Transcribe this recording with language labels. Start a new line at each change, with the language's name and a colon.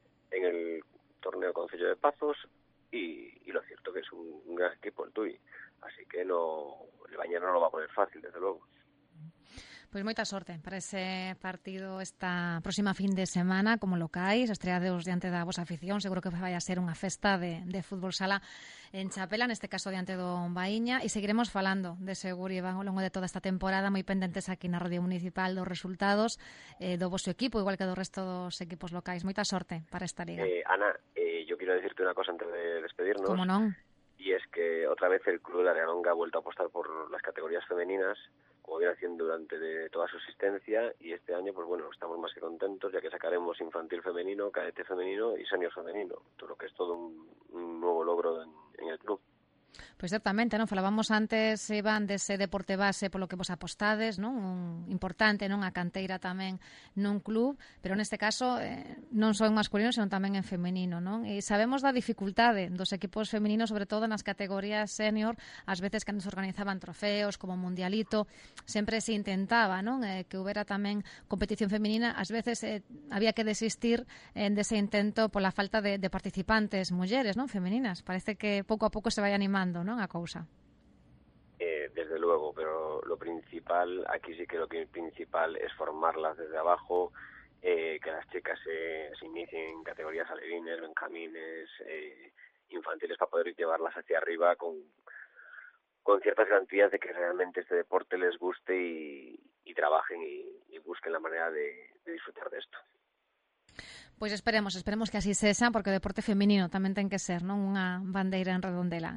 Spanish: en el torneo Concello de Pazos, y lo cierto que es un gran equipo el TUI, así que no, el Bañero no lo va a poner fácil, desde luego.
Galician: Pois moita sorte para ese partido esta próxima fin de semana, como locais, estreadeos diante da vosa afición, seguro que vai a ser unha festa de fútbol sala en Chapela, neste caso diante do Baíña, e seguiremos falando de seguro, Iván, ao longo de toda esta temporada, moi pendentes aquí na Radio Municipal dos resultados do vosso equipo, igual que do resto dos equipos locais. Moita sorte para esta liga.
Spanish: Ana, yo quiero decirte una cosa antes de despedirnos.
Galician: Como non.
Spanish: Y es que otra vez el Club de la Arenonga ha vuelto a apostar por las categorías femeninas, como viene haciendo durante toda su existencia, y este año, pues bueno, estamos más que contentos, ya que sacaremos infantil femenino, cadete femenino y senior femenino, todo lo que es todo un nuevo logro en el club. Pues ciertamente, ¿no? Falábamos antes, Iván, de ese deporte base por lo que
Galician: vos apostades,
Spanish: ¿no?
Galician: Importante, ¿no? A canteira tamén nun club, pero neste caso non só en masculino, senón tamén en femenino, ¿no? E sabemos da dificultade dos equipos femeninos, sobre todo nas categorías senior, ás veces que nos organizaban trofeos, como Mundialito, sempre se intentaba, ¿no?, que houbera tamén competición femenina, ás veces había que desistir dese intento pola falta de participantes mulleres, ¿no?, femeninas. Parece que pouco a pouco se vai animando, ¿no?, a causa.
Spanish: Desde luego, pero lo principal, aquí sí que lo que es principal es formarlas desde abajo, que las chicas se inicien en categorías alevines, benjamines, infantiles, para poder llevarlas hacia arriba con ciertas garantías de que realmente este deporte les guste y trabajen y busquen la manera de disfrutar de esto.
Galician: Pois esperemos que así sexa, porque o deporte feminino tamén ten que ser, non, unha bandeira en redondela.